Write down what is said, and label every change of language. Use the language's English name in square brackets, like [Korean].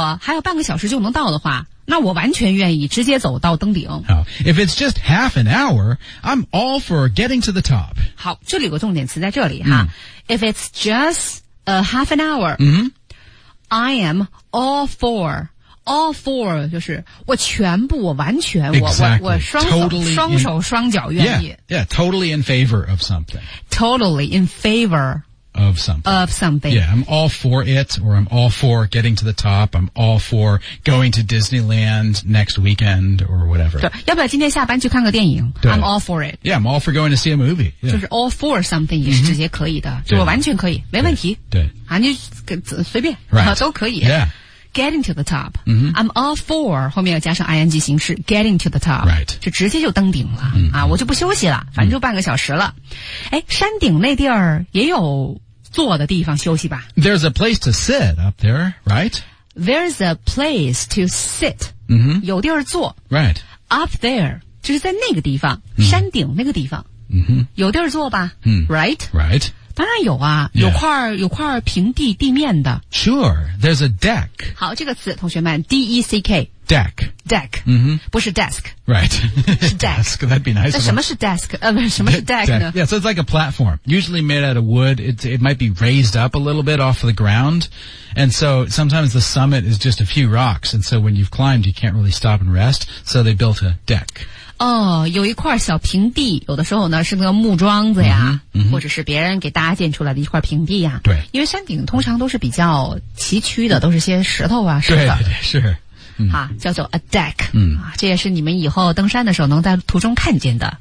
[Chinese] 如果还有半个小时就能到的话, 那我完全愿意直接走到登顶。 [English] If it's just half an hour, I'm all for getting to the top. [Chinese] 好,这里有个重点词在这里哈。 [English] If it's just a half an hour, I am all for all for [Chinese] 就是我全部我完全 [English] exactly, [Chinese] 我双手 [English] totally [Chinese] 双手双脚愿意 [English] yeah, totally in favor of something. Totally in favor of something. Of something. Yeah, I'm all for it, or I'm all for getting to the top, I'm all for going to Disneyland next weekend or whatever. [Chinese] 对，要不要今天下班去看个电影？ [English] I'm all for it. Yeah, I'm all for going to see a movie. Yeah. [Chinese] 就是 [English] all for something [Chinese] 也是直接可以的，就我完全可以，没问题。对。啊，你随便、 [English] right. [Chinese] 都可以。 [English] Yeah. Getting to the top.、 Mm-hmm. I'm all for [Chinese] 后面要加上 ing 形式 [English] getting to the top. Right. [Chinese] 就直接就登顶了、 [English] mm-hmm. [Chinese] 啊，我就不休息了，反正就半个小时了。哎、mm-hmm. ，山顶那地儿也有坐的地方休息吧 [English] ？There's a place to sit up there, right? There's a place to sit.、 Mm-hmm. [Chinese] 有地儿坐。 [English] Right. Up there [Chinese] 就是在那个地方， mm-hmm. 山顶那个地方。 [English] Mm-hmm. [Chinese] 有地儿坐吧、 [English] mm-hmm. ？Right. Right. [Chinese] 当然有啊、 [English] yeah. [Chinese] 有块平地地面的。 [English] Sure, there's a deck. [Chinese] 好，这个词同学们 ,D-E-C-K, [English] deck. Deck. Mm-hmm. [Chinese] 不是 desk. [English] Right. [Chinese] 是 deck. [English] Desk, that'd be nice. [Chinese] 那什么是 desk? 什么是 deck 呢? [English] Yeah, so it's like a platform. Usually made out of wood. It might be raised up a little bit off the ground. And so sometimes the summit is just a few rocks. And so when you've climbed, you can't really stop and rest. So they built a deck. [Chinese] 哦、oh, 有一块小平地有的时候呢是那个木桩子呀、嗯嗯、或者是别人给搭建出来的一块平地呀。对。因为山顶通常都是比较崎岖的、嗯、都是些石头啊石头。对是。嗯、啊叫做 a deck、嗯。啊这也是你们以后登山的时候能在途中看见的。